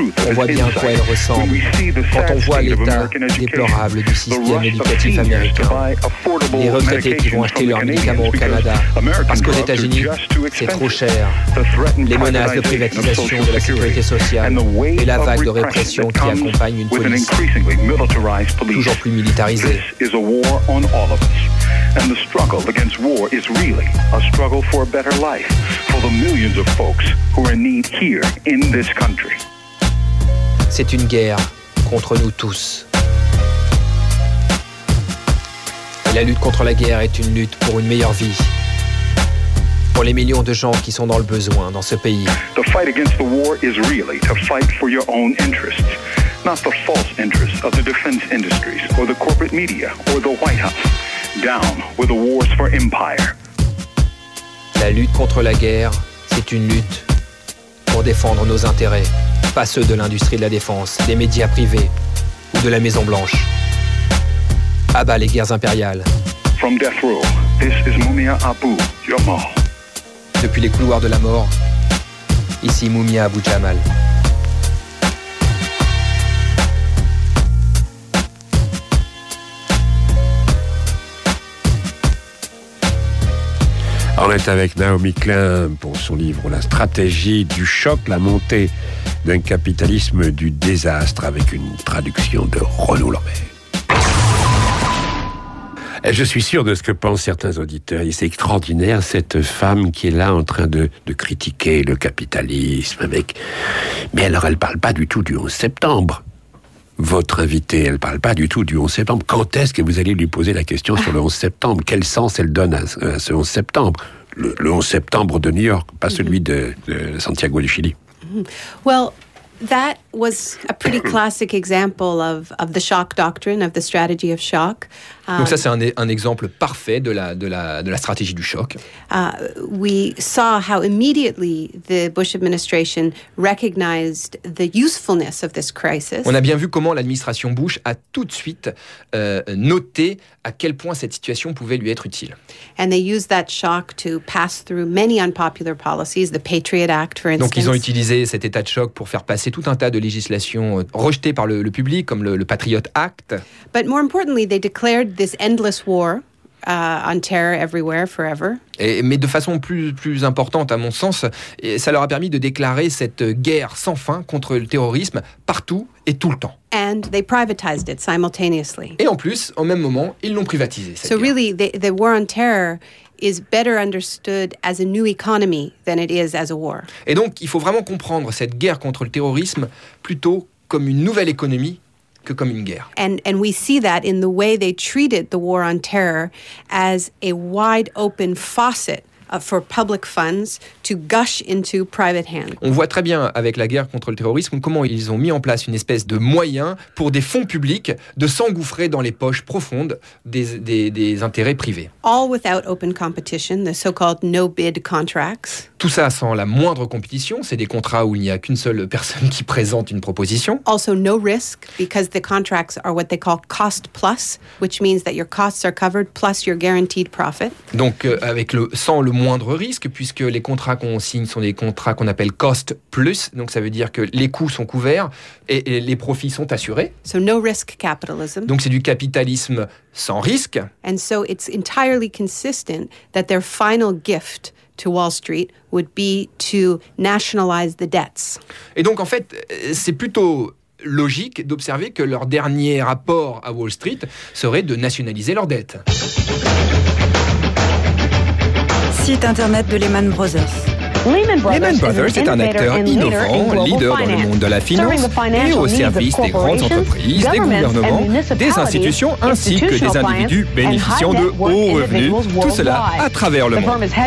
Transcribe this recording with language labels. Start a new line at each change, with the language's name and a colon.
French: On voit bien à quoi elle ressemble quand on voit l'état déplorable du système éducatif américain, les retraités qui vont acheter leurs médicaments au Canada parce qu'aux États-Unis c'est trop cher, les menaces de privatisation de la sécurité sociale et la vague de répression qui accompagne une police toujours plus militarisée.
English: And the struggle against war is really a struggle for a better life for the millions of folks who are in need here in this country.
French: C'est une guerre contre nous tous. Et la lutte contre la guerre est une lutte pour une meilleure vie. Pour les millions de gens qui sont dans le besoin dans ce pays.
English: The fight against the war is really to fight for your own interests, not the false interests of the defense industries or the corporate media or the White House. Down with the wars for empire.
French: La lutte contre la guerre, c'est une lutte pour défendre nos intérêts, pas ceux de l'industrie de la défense, des médias privés ou de la Maison Blanche. À bas les guerres impériales.
English: From death row, this is Mumia Abu-Jamal.
French: Depuis les couloirs de la mort, ici Mumia Abu-Jamal. On est avec Naomi Klein pour son livre La stratégie du choc, la montée d'un capitalisme du désastre, avec une traduction de Renaud Lambert. Je suis sûr de ce que pensent certains auditeurs. C'est extraordinaire, cette femme qui est là en train de critiquer le capitalisme. Mais alors, elle ne parle pas du tout du 11 septembre. Votre invitée, elle ne parle pas du tout du 11 septembre. Quand est-ce que vous allez lui poser la question sur le 11 septembre? Quel sens elle donne à ce 11 septembre? Le 11 septembre de New York, pas celui de Santiago du Chili.
English: Well, that was a pretty classic example of the shock doctrine, of the strategy of shock.
French: Donc ça, c'est un exemple parfait de la stratégie du choc.
English: We saw how immediately the Bush administration recognized the usefulness of this crisis.
French: On a bien vu comment l'administration Bush a tout de suite noté à quel point cette situation pouvait lui être utile.
English: And they used that shock to pass through many unpopular policies, the Patriot Act, for instance.
French: Donc ils ont utilisé cet état de choc pour faire passer tout un tas de législations rejetées par le public, comme le Patriot Act.
English: But more importantly, they declared this endless war on terror everywhere forever.
French: Mais de façon plus importante, à mon sens, ça leur a permis de déclarer cette guerre sans fin contre le terrorisme partout et tout le temps.
English: And they privatized it simultaneously.
French: Et en plus, au même moment, ils l'ont privatisé.
English: So really, the war on terror is better understood as a new economy than it is as a war.
French: Et donc, il faut vraiment comprendre cette guerre contre le terrorisme plutôt comme une nouvelle économie que comme une guerre.
English: And we see that in the way they treated the war on terror as a wide open faucet for public funds to gush into private hands.
French: On voit très bien avec la guerre contre le terrorisme comment ils ont mis en place une espèce de moyen pour des fonds publics de s'engouffrer dans les poches profondes des intérêts privés.
English: All without open competition, the so-called no-bid contracts.
French: Tout ça sans la moindre compétition, c'est des contrats où il n'y a qu'une seule personne qui présente une proposition.
English: Also no risk because the contracts are what they call cost plus, which means that your costs are covered plus your guaranteed profit.
French: Donc sans le moindre risque puisque les contrats qu'on signe sont des contrats qu'on appelle cost plus, donc ça veut dire que les coûts sont couverts et les profits sont assurés.
English: So no risk capitalism.
French: Donc c'est du capitalisme sans risque.
English: And so it's entirely consistent that their final gift to Wall Street would be to nationalize the debts.
French: Et donc en fait, c'est plutôt logique d'observer que leur dernier apport à Wall Street serait de nationaliser leurs dettes. Site internet de Lehman Brothers. Lehman Brothers est un acteur innovant, leader dans le monde de la finance et au service des grandes entreprises, des gouvernements, des institutions ainsi que des individus bénéficiant de hauts revenus, tout cela à travers le monde.